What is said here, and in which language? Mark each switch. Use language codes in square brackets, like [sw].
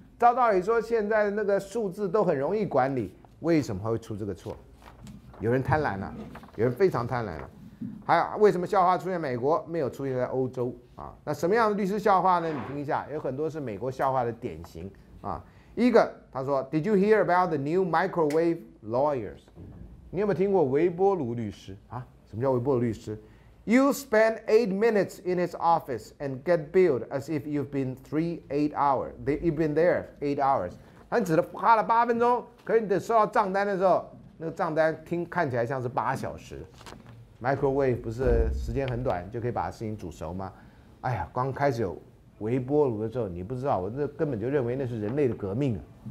[zh] 照道理说现在那个数字都很容易管理，为什么会出这个错？有人贪婪了、啊，有人非常贪婪了、啊。还有为什么笑话出现美国没有出现在欧洲啊？那什么样的律师笑话呢？你听一下，有很多是美国笑话的典型啊。一个他说 [en] ，Did you hear about the new microwave lawyers？ [zh] 你有没有听过微波炉律师啊？什么叫微波炉律师 [en] ？You spend 8 minutes in his office and get billed as if you've been three 8 hours. You've been there 8 hours. [zh] 他只花了8分钟，可是你得收到账单的时候。那个账单听看起来像是8小时 ，microwave 不是时间很短就可以把事情煮熟吗？哎呀，刚开始有微波炉的时候，你不知道，我这根本就认为那是人类的革命啊！